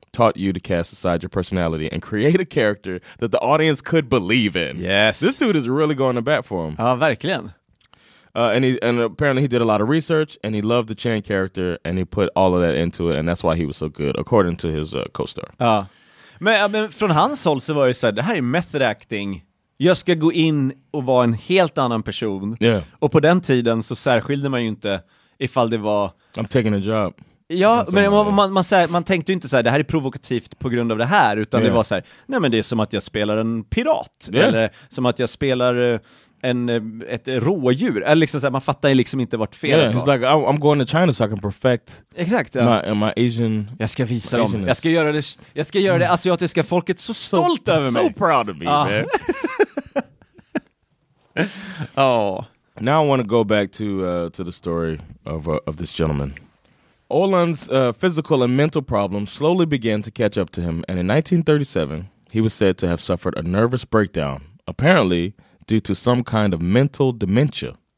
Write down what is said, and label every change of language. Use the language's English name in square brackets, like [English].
[English] Taught you to cast aside your personality and create a character that the audience could believe in. Yes. This dude is really going to bat for him. [Swedish] Ja, verkligen. [English] And apparently he did a lot of research and he loved the Chan character and he put all of that into it and that's why he was so good, according to his co-star. [Swedish] Ja. Men från hans håll så var det så här, det här är method acting. Jag ska gå in och vara en helt annan person. [English] Yeah. [Swedish] Och på den tiden så särskilde man ju inte ifall det var... [English] I'm taking a job. [Swedish] Ja, men man tänkte ju inte så här, det här är provokativt på grund av det här, utan det var så här, nej men det är som att jag spelar en pirat, eller som att jag spelar ett rådjur, eller liksom så här, man fattar ju liksom inte vart fel det var. [English] Yeah, it's like, I'm going to China so I can perfect my Asian... [Swedish] Jag ska visa dem, jag ska göra det asiatiska folket så stolt över mig. [English] So proud of me, man. Oh. Now I want to go back to the story of this gentleman. Ölund's physical and mental problems slowly began to catch up to him, and in 1937, he was said to have suffered a nervous breakdown, apparently due to some kind of mental dementia.